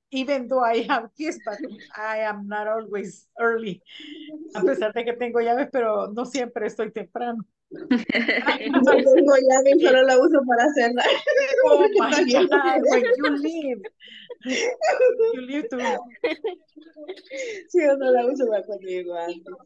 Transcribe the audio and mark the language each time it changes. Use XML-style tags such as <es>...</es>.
<en>Even though I have keys, but I am not always early.</en> <es>A pesar de que tengo llaves, pero no siempre estoy temprano. No tengo llave, solo la uso para cerrar.</es> <en>Oh my God, when you leave to me.</en> <es>Sí, yo no la uso para cuando llego antes.</es>